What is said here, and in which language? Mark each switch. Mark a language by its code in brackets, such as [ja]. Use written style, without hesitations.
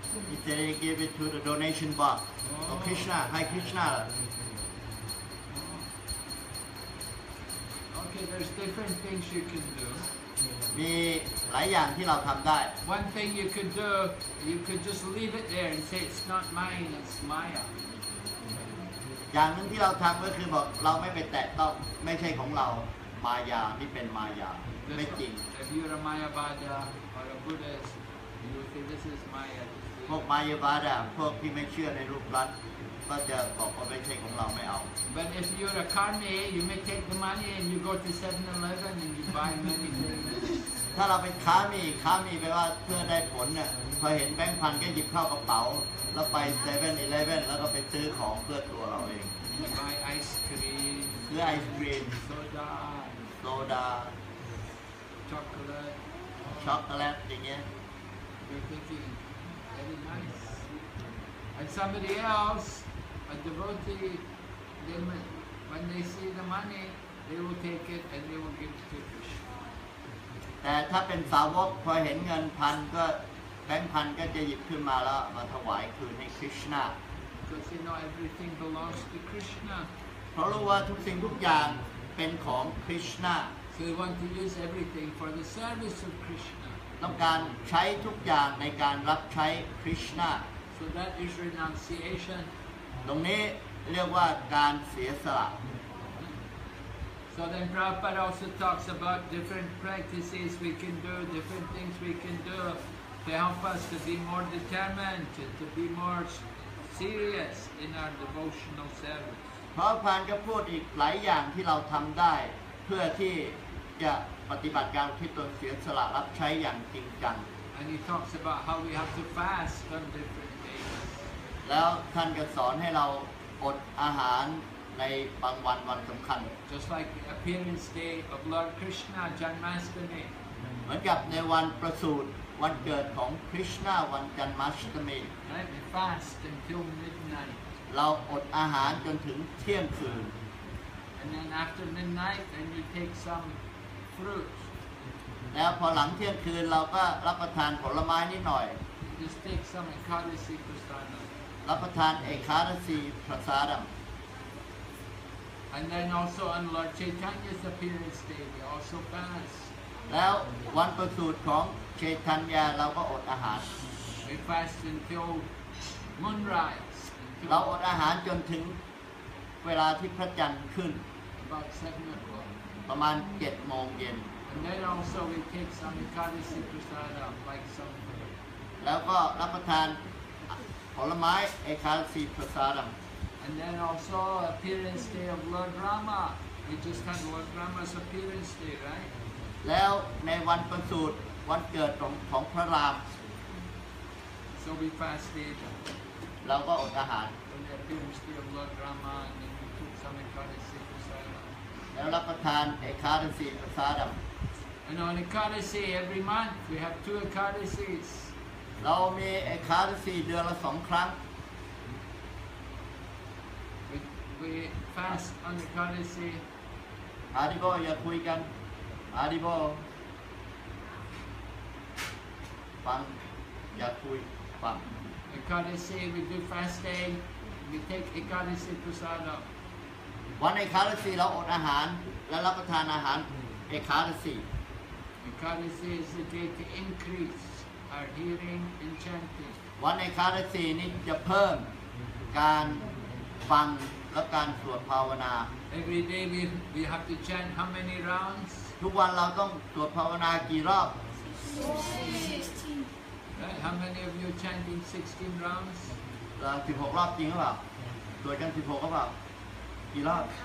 [en] you say give it to the donation box oh Krishna hi Krishna Okay, there's different things you can do. [th] มีหลายอย่างที่เราทำได้ [en] One thing you could do, you could just leave it there and say it's not mine, it's Maya. [th] อย่างนึงที่เราทำก็คือบอกเราไม่ไปแตะต้องไม่ใช่ของเรามายาที่เป็นมายาไม่จริง [en] If you're a Mayavada or a Buddhist, you would say this is Maya. [th] พวกมายาบาดาพวกที่ไม่เชื่อในรูปรัตก็จะบอกว่าไม่ใช่ของเราไม่เอา [en] But if you're a karmi, you may take the money and you go to 7-Eleven and you buy many things. [th] ถ้าเราเป็นค้ามีค้ามีแปลว่าเพื่อได้ผลเนี่ยพอเห็นแบงค์พันก็หยิบเข้ากระเป๋าแล้วไป 7-Eleven แล้วก็ไปซื้อของเพื่อตัวเราเอง [en] Buy ice cream. [th] ซื้อไอศกรีม [en] Soda. Soda. Chocolate. [th] Chocolate อย่างเงี้ย [en] You're thinking very nice. And somebody else. A devotee, they, when they see the money, they will take it and they will give it to Krishna. [th] แต่ถ้าเป็นสาวกพอเห็นเงินพันก็แบงค์พันก็จะหยิบขึ้นมาแล้วมาถวายคืนให้ Krishna. [en] Because you know everything belongs to Krishna. [th] เพราะรู้ว่าทุกสิ่งทุกอย่างเป็นของ Krishna. [en] So you want to use everything for the service of Krishna. [th] ต้องการใช้ทุกอย่างในการรับใช้ Krishna. [en] So that is renunciation. [th] ตรงนี้เรียกว่าการเสียสละ [en] So then Prabhupada also talks about different practices we can do, different things we can do to help us to be more determined, to be more serious in our devotional service. [th] พระพุทธเจ้าก็พูดอีกหลายอย่างที่เราทำได้เพื่อที่จะปฏิบัติการที่ตนเสียสละรับใช้อย่างจริงจัง [en] And he talks about how we have to fast on different. [th] แล้วท่านก็สอนให้เราอดอาหารในบางวันวันสำคัญ [en] Just like appearance day of Lord Krishna Janmashtami [th] เหมือนกับในวันประสูติวันเกิดของ Krishna วัน Janmashtami [en] Right, we fast until midnight [th] เราอดอาหารจนถึงเที่ยงคืน [en] And then after midnight then you take some fruit [th] แล้วพอหลังเที่ยงคืนเราก็รับประทานผลไม้นิดหน่อย [en] Just take some ekadasi prasadam [th] รับประทานเอกาทศีพระสารม [en] And then also on Lord Chaitanya's appearance day we also fast [th] แล้ววันประสูติของเชตัญญาเราก็อดอาหาร [en] We fast until moonrise [th] เราอดอาหารจนถึงเวลาที่พระจันทร์ขึ้น [en] About 7 o'clock [th] ประมาณ 7 โมงเย็น [en] And then also we take some ekadasi prasadam like some food [th] แล้วก็รับประทานผลไม้เอกาทศีพระสารม [en] And then also appearance day of Lord Rama We just had Lord Rama's appearance day, right? [th] แล้วในวันประสูติวันเกิดของพระราม [en] So we fasted [th] เราก็อดอาหาร [en] And then appearance day of Lord Rama And then we took some [th] เอกาทศีพระสารม แล้วรับประทานเอกาทศีพระสารม [en] And on Ekadasi every month we have two Ekadasis [th] เรามีเอกาทศีเดือนละ2ครั้ง [en] we fast on Ekadasi [th] อาริโบอย่าคุยกันอาริโบฟังอย่าคุยฟัง [en] Ekadasi we do fasting we take Ekadasi prasada [th] วันเอกาทศีเราอดอาหารและรับประทานอาหารเอกาทศี [en] Ekadasi is a day to increaseAre hearing and chanting. [th] วันในคาราสีนี้จะเพิ่มการฟังและการสวดภาวนา [en] Every day we have to chant how many rounds? [th] ทุกวันเราต้องสวดภาวนากี่รอบ [en] 16 Right, how many of you chanting 16 rounds? [th] 16รอบจริงหรือเปล่าสวดกัน16หรือเปล่ากี่รอบ